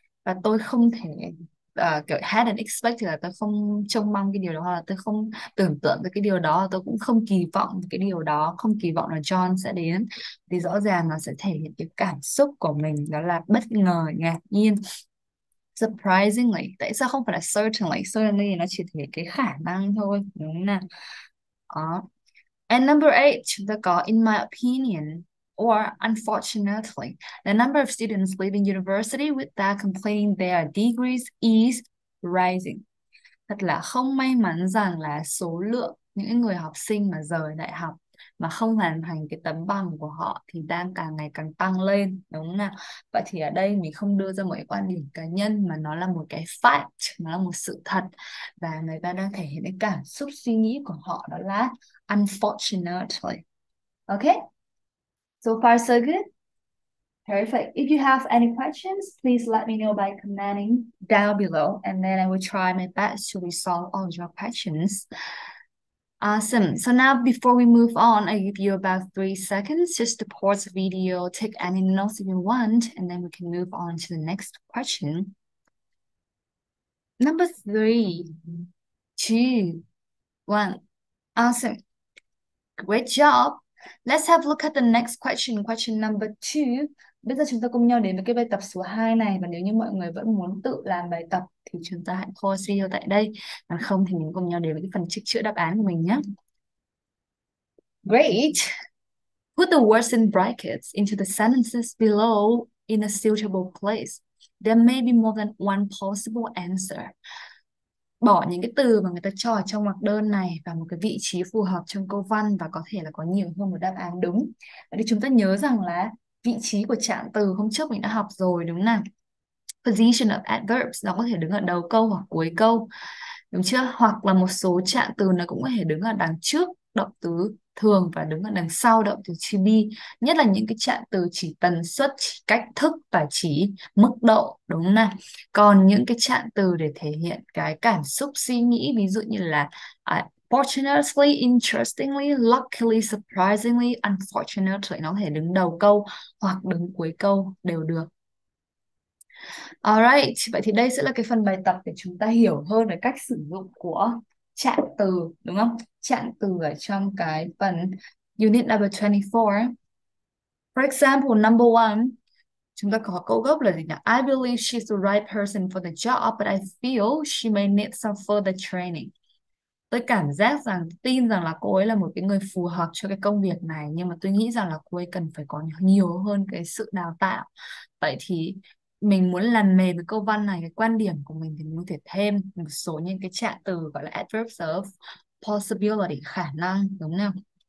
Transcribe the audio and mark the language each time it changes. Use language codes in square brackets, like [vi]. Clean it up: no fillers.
[vi] Và tôi không thể kiểu [en] hadn't expected, [vi] là tôi không trông mong cái điều đó, là tôi không tưởng tượng cái điều đó, tôi cũng không kỳ vọng cái điều đó, không kỳ vọng là John sẽ đến. Thì rõ ràng nó sẽ thể hiện cái cảm xúc của mình, đó là bất ngờ, ngạc nhiên. Surprisingly, tại sao không phải là certainly? Certainly nó chỉ thể hiện cái khả năng thôi, đúng không nào? Đó. [en] And number eight, [vi] chúng ta có [en] in my opinion, or unfortunately, the number of students leaving university without completing their degrees is rising. [vi] Thật là không may mắn rằng là số lượng những người học sinh mà rời đại học mà không hoàn thành cái tấm bằng của họ thì đang càng ngày càng tăng lên, đúng không nào? Vậy thì ở đây mình không đưa ra một cái quan điểm cá nhân, mà nó là một cái fact, nó là một sự thật, và người ta đang thể hiện cái cảm xúc suy nghĩ của họ, đó là unfortunately. [en] Okay, so far so good. Perfect. If you have any questions, please let me know by commenting down below, and then I will try my best to resolve all your questions. Awesome. So now before we move on, I give you about 3 seconds just to pause the video, take any notes if you want, and then we can move on to the next question. Number three, two, one. Awesome. Great job. Let's have a look at the next question, question number two. [vi] Bây giờ chúng ta cùng nhau đến với cái bài tập số 2 này. Và nếu như mọi người vẫn muốn tự làm bài tập thì chúng ta hãy pause video tại đây. Còn không thì mình cùng nhau đến với cái phần trích chữa đáp án của mình nhé. [en] Great. Put the words in brackets into the sentences below in a suitable place. There may be more than one possible answer. [vi] Bỏ những cái từ mà người ta cho ở trong mặc đơn này vào một cái vị trí phù hợp trong câu văn, và có thể là có nhiều hơn một đáp án đúng. Vậy thì chúng ta nhớ rằng là vị trí của trạng từ hôm trước mình đã học rồi, đúng không nào? [en] Position of adverbs, [vi] nó có thể đứng ở đầu câu hoặc cuối câu, đúng chưa? Hoặc là một số trạng từ nó cũng có thể đứng ở đằng trước động từ thường và đứng ở đằng sau động từ to be, nhất là những cái trạng từ chỉ tần suất, chỉ cách thức và chỉ mức độ, đúng không nào? Còn những cái trạng từ để thể hiện cái cảm xúc suy nghĩ, ví dụ như là fortunately, interestingly, luckily, surprisingly, unfortunately, nó có thể đứng đầu câu hoặc đứng cuối câu đều được. Alright, vậy thì đây sẽ là cái phần bài tập để chúng ta hiểu hơn về cách sử dụng của trạng từ, đúng không? Trạng từ ở trong cái phần unit number 24. [en] For example, number one, [vi] chúng ta có câu gốc là gì nhỉ? [en] I believe she's the right person for the job, but I feel she may need some further training. [vi] Tôi cảm giác rằng, tin rằng là cô ấy là một cái người phù hợp cho cái công việc này, nhưng mà tôi nghĩ rằng là cô ấy cần phải có nhiều hơn cái sự đào tạo. Vậy thì mình muốn làm mềm cái câu văn này, cái quan điểm của mình thì mình có thể thêm một số những cái trạng từ gọi là adverbs of possibility, khả năng, đúng không?